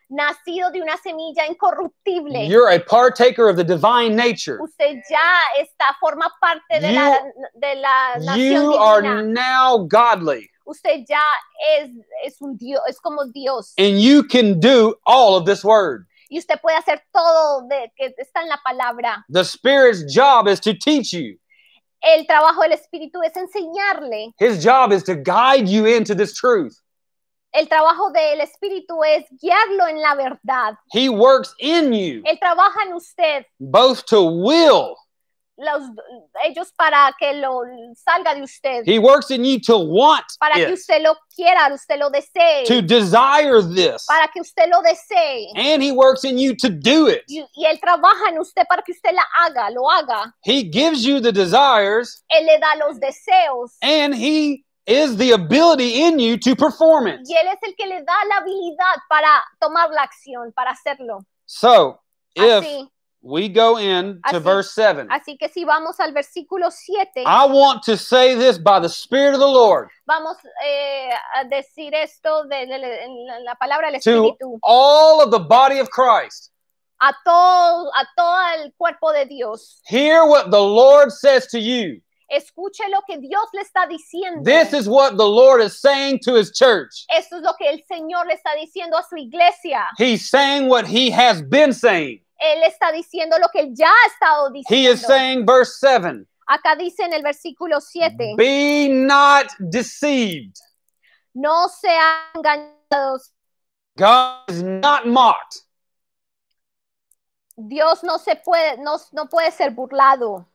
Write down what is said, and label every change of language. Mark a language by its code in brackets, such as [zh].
[es] Nacido de una semilla incorruptible. [en] You're a partaker of the divine nature. [es] Usted ya está, forma parte de la nación divina. [en] You are now godly. [es] Usted ya es un Dios, es como Dios. [en] And you can do all of this word. [es] Y usted puede hacer todo de que está en la palabra. [en] The Spirit's job is to teach you. [es] El trabajo del Espíritu es enseñarle. [en] His job is to guide you into this truth. [es] El trabajo del Espíritu es guiarlo en la verdad. [en] He works in you. [es] Él trabaja en usted. [en] Both to will. [es] Ellos para que lo salga de usted. [en] He works in you to want [es] para [en] it. [es] Que usted lo quiera, usted lo desee. [en] To desire this. [es] Para que usted lo desee. [en] And he works in you to do it. [es] Y él trabaja en usted para que usted lo haga. [en] He gives you the desires. [es] Él le da los deseos. [en] And he is the ability in you to perform it. [es] Y él es el que le da la habilidad para tomar la acción, para hacerlo. [en] So, if we go in to verse 7. [es] Así que si vamos al versículo 7. [en] I want to say this by the Spirit of the Lord. [es] Vamos a decir esto en la palabra del [en] Espíritu. To all of the body of Christ. [es] A todo el cuerpo de Dios. [en] Hear what the Lord says to you. [es] Escuche lo que Dios le está diciendo. [en] This is what the Lord is saying to his church. [es] Esto es lo que el Señor le está diciendo a su iglesia. [en] He's saying what he has been saying. [es] Él está diciendo lo que él ya ha estado diciendo. [en] He is saying verse 7. [es] Acá dice en el versículo 7. [en] Be not deceived. [es] No sean engañados. [en] God is not mocked. [es] Dios no puede ser burlado.